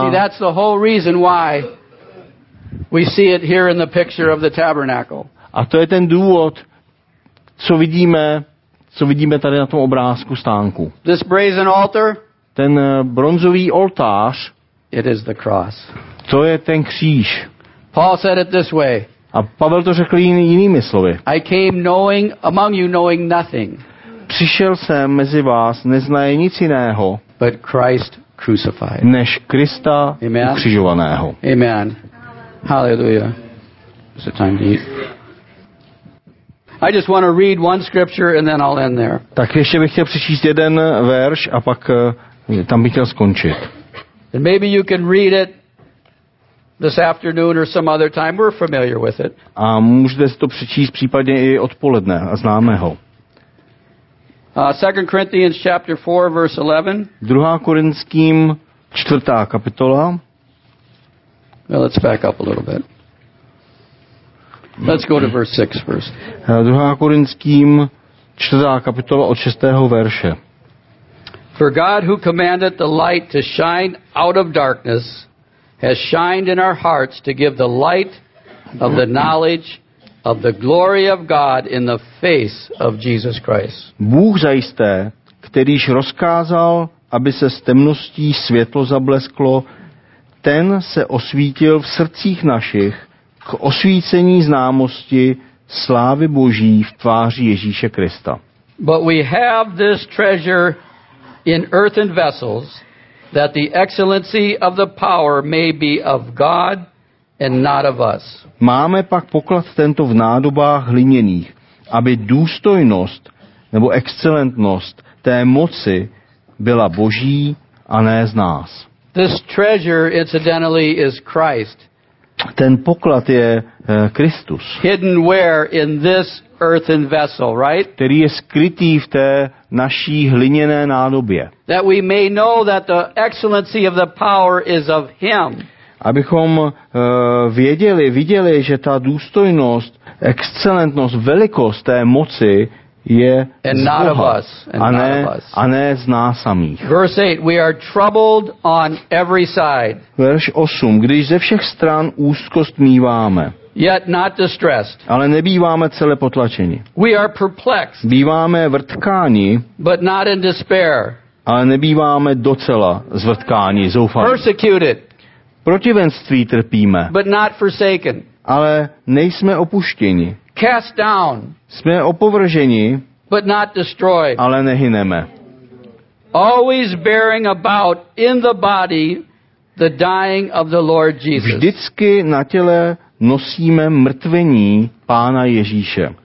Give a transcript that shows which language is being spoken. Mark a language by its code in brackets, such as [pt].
[en] See, that's the whole reason why we see it here in the picture of the tabernacle. [cs] A to je ten důvod, co vidíme tady na tom obrázku stánku. [en] This brazen altar, [cs] ten bronzový oltář, [en] it is the cross. [cs] To je ten kříž. [en] Paul said it this way. [cs] A Pavel to řekl jinými slovy. [en] I came knowing among you knowing nothing. [cs] Přišel jsem mezi vás neznaje nic jiného, [en] but Christ crucified. [cs] Než Krista ukřižovaného. [en] Amen. Hallelujah. Is it time to eat? I just want to read one scripture and then I'll end there. [cs] Tak ještě bych chtěl přečíst jeden verš a pak tam bych chtěl skončit. [en] And maybe you can read it this afternoon or some other time. We're familiar with it. [cs] A můžete si to přečíst případně i odpoledne a známe ho. [en] 2 Corinthians chapter 4 verse 11. [cs] 2. Korinským 4. kapitola. [en] Well, let's back up a little bit. Let's go to verse 6 first. [cs] 2. Korinským 4. kapitola od 6. verše. [en] For God who commanded the light to shine out of darkness has shined in our hearts to give the light of the knowledge of the glory of God in the face of Jesus Christ. [cs] Bůh zajisté, kterýž rozkázal, aby se z temností světlo zablesklo, ten se osvítil v srdcích našich k osvícení známosti slávy Boží v tváři Ježíše Krista. [en] But we have this treasure in earthen vessels, that the excellency of the power may be of God and not of us. [cs] Máme pak poklad tento v nádobách hliněných, aby důstojnost nebo excelentnost té moci byla Boží a ne z nás. [en] This treasure, incidentally, is Christ. [cs] Ten poklad je Kristus. [en] Hidden where in this earthen vessel, right? [cs] Který je skrytý v té naší hliněné nádobě. [en] That we may know that the excellency of the power is of him. [cs] Abychom viděli, že ta důstojnost, excelentnost, velikost té moci je [en] and [cs] z [en] not [cs] Boha, [en] of us, and [cs] a ne, [en] not of us. [cs] A ne z nás samých. [en] Verse 8, we are troubled on every side. [cs] Verš 8, když ze všech stran úzkost míváme. [en] Yet not distressed. [cs] Ale nebýváme celé potlačeni. [en] We are perplexed. [cs] Býváme vrtkáni. [en] But not in despair. [cs] Ale nebýváme docela zvrtkáni, zoufání. [en] Persecuted. [cs] Protivenství trpíme. [en] But not forsaken. [cs] Ale nejsme opuštěni. [en] Cast down. [cs] Jsme opovrženi. [en] But not destroyed. [cs] Ale nehyneme. [en] Always bearing about in the body the dying of the Lord Jesus. [cs] Vždycky na těle nosíme mrtvení Pána Ježíše.